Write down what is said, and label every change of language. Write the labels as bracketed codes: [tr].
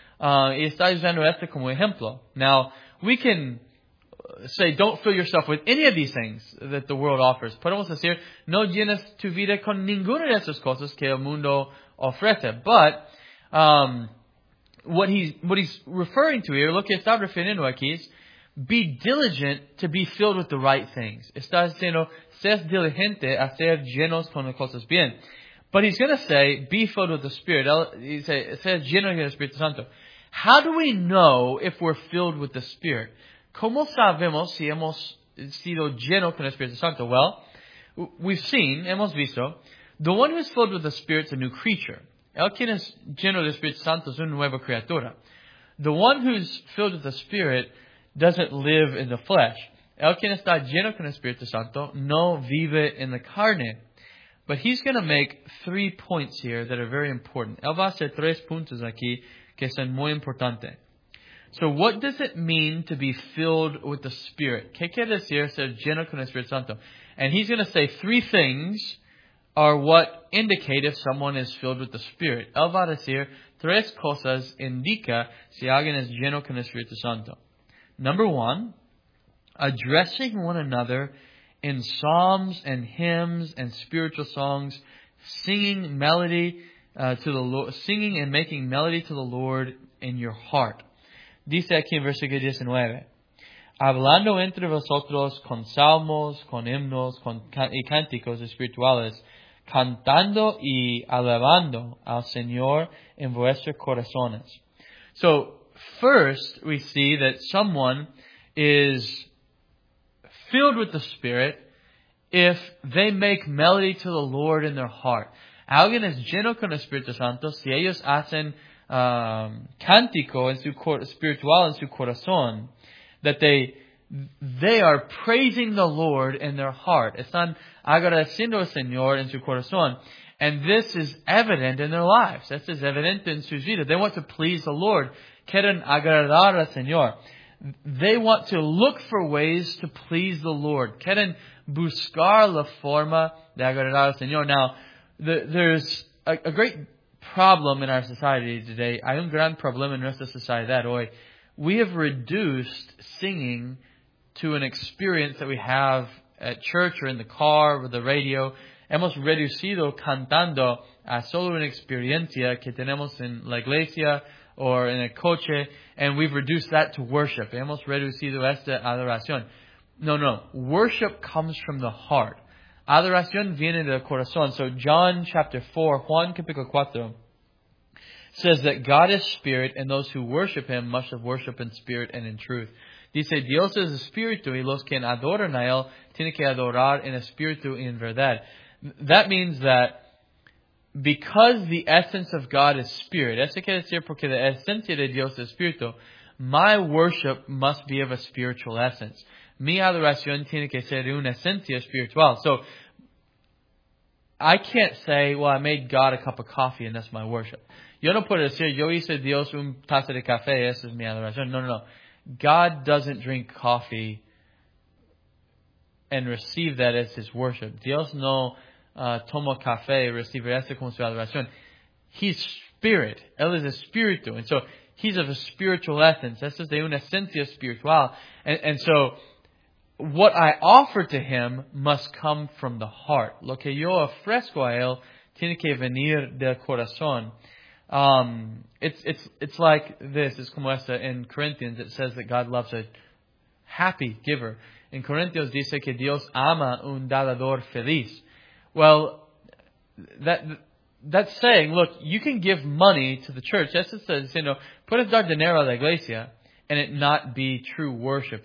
[es] Y está usando esto como ejemplo. [en] Now, we can say, don't fill yourself with any of these things that the world offers. [es] Podemos decir, no llenes tu vida con ninguna de esas cosas que el mundo ofrece. [en] But, what he's referring to here, [es] lo que está refiriendo aquí es, [en] be diligent to be filled with the right things. [es] Está diciendo, seas diligente a ser llenos con las cosas bien. [en] But he's going to say, be filled with the Spirit. [es] Seas lleno con el Espíritu Santo. [en] How do we know if we're filled with the Spirit? [es] ¿Cómo sabemos si hemos sido llenos con el Espíritu Santo? [en] Well, we've seen, [es] hemos visto, [en] the one who is filled with the Spirit is a new creature. [es] El quien es lleno del Espíritu Santo es una nueva criatura. [en] The one who is filled with the Spirit doesn't live in the flesh. [es] El quien está lleno con el Espíritu Santo no vive en la carne. [en] But he's going to make 3 points here that are very important. [es] Él va a hacer 3 puntos aquí que son muy importantes. [en] So what does it mean to be filled with the Spirit? [es] ¿Qué quiere decir ser lleno con el Espíritu Santo? [en] And he's going to say 3 things are what indicate if someone is filled with the Spirit. [es] Él va a decir 3 cosas indica si alguien es lleno con el Espíritu Santo. [en] Number 1, addressing one another in psalms and hymns and spiritual songs, singing and making melody to the Lord in your heart. [es] Dice aquí en versículo 19, hablando entre vosotros con salmos, con himnos y cánticos espirituales, cantando y alabando al Señor en vuestros corazones. [en] So, first we see that someone is filled with the Spirit if they make melody to the Lord in their heart. [es] Alguien es lleno con el Espíritu Santo si ellos hacen cántico en su espiritual en su corazón, [en] that they are praising the Lord in their heart. [es] Están agradeciendo al Señor en su corazón. [en] And this is evident in their lives. This is evident in [es] sus vidas. [en] They want to please the Lord. [es] Quieren agradar al Señor. [en] They want to look for ways to please the Lord. [es] Quieren buscar la forma de agradar al Señor. [en] Now, there's a great problem in our society today. [es] Hay un gran problema en nuestra sociedad hoy. [en] We have reduced singing to an experience that we have at church or in the car or the radio. [es] Hemos reducido cantando a solo una experiencia que tenemos en la iglesia or in a coche, [en] and we've reduced that to worship. [es] Hemos reducido esta adoración. No. [en] Worship comes from the heart. [es] Adoración viene del corazón. [en] So John chapter 4, [es] Juan capítulo 4, [en] says that God is Spirit and those who worship Him must have worship in spirit and in truth. [es] Dice, Dios es Espíritu y los que adoran a Él tienen que adorar en Espíritu y en verdad. [en] That means that because the essence of God is Spirit, [es] eso quiere decir porque la esencia de Dios es Espíritu, [en] my worship must be of a spiritual essence. [es] Mi adoración tiene que ser una esencia espiritual. [en] So, I can't say, well, I made God a cup of coffee and that's my worship. [es] Yo no puedo decir, yo hice Dios un taza de café, esa es mi adoración. No. [en] God doesn't drink coffee and receive that as His worship. [es] Dios no toma café y recibe eso como su adoración. [en] He's Spirit. [es] Él es Espíritu. [en] And so, He's of a spiritual essence. [es] Esa es de una esencia espiritual. [en] And so... what I offer to Him must come from the heart. [es] Lo que yo ofrezco a Él tiene que venir del corazón. [en] It's like this. It's [es] como esta [en] in Corinthians. It says that God loves a happy giver. In Corinthians [es] dice que Dios ama un dador feliz. [en] Well, that that's saying, look, you can give money to the church. That's just saying, you know, [es] puedes dar dinero a la iglesia [en] and it not be true worship.